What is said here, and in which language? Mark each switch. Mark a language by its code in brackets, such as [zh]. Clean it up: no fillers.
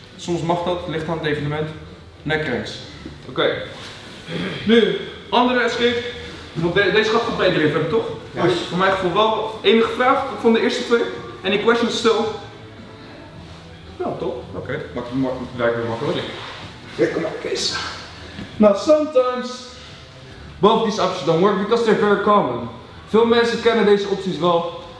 [nl] Soms mag dat, ligt aan het evenement, nekrens. Oké. Okay. Nu, andere escape. Want deze gaat goed bij iedereen verder, toch? Ja. Dus voor mijn gevoel wel enige vraag van de eerste twee. [en] Any questions still? [nl] Nou, toch? Oké. [en] Okay. [nl] Maakt het werk weer makkelijk. Kijk, kom maar, Kees. [en] Nou, sometimes both these options don't work because they're very common. [nl] Veel mensen kennen deze opties wel.